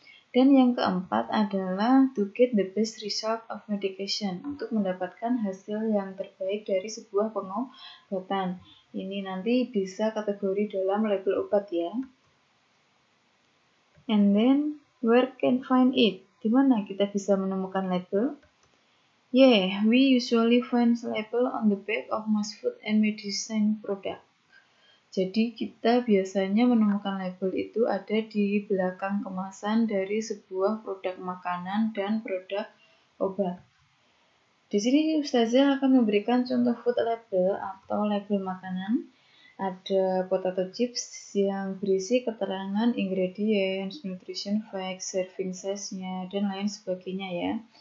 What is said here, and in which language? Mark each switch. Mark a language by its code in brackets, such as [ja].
[id] Dan yang keempat adalah [en] to get the best result of medication, [id] untuk mendapatkan hasil yang terbaik dari sebuah pengobatan. Ini nanti bisa kategori dalam label obat ya. [en] And then, where can find it? [id] Di mana kita bisa menemukan label? [en] Yeah, we usually find label on the back of most food and medicine product. [id] Jadi kita biasanya menemukan label itu ada di belakang kemasan dari sebuah produk makanan dan produk obat. Di sini Ustazah akan memberikan contoh food label atau label makanan. Ada potato chips yang berisi keterangan ingredients, nutrition facts, serving size-nya, dan lain sebagainya ya.